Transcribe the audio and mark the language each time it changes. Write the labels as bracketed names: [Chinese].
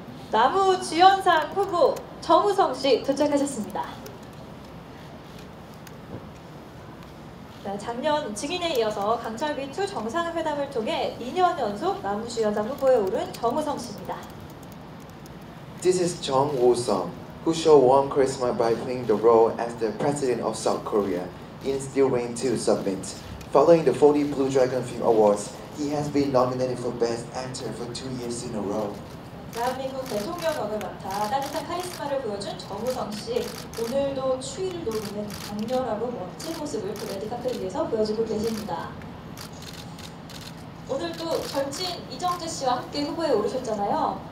[Korean] 나무 주연상 후보 정우성 씨 도착하셨습니다. 작년 증인에 이어서 강철비2 정상회담을 통해 2년 연속 남우주연상 후보에 오른 정우성 씨입니다. [English] This is Jung Woo-sung, who showed one charisma by playing the role as the president of South Korea in Steel Rain 2 Submit. Following the 40 Blue Dragon Film Awards, he has been nominated for Best Actor for 2 years in a row. [Korean] 대한민국 대통령 역을 맡아 따뜻한 카리스마를 보여준 정우성 씨. 오늘도 추위를 노리는 강렬하고 멋진 모습을 그 레드카펫 위에서 보여주고 계십니다. 오늘 또 절친 이정재 씨와 함께 후보에 오르셨잖아요.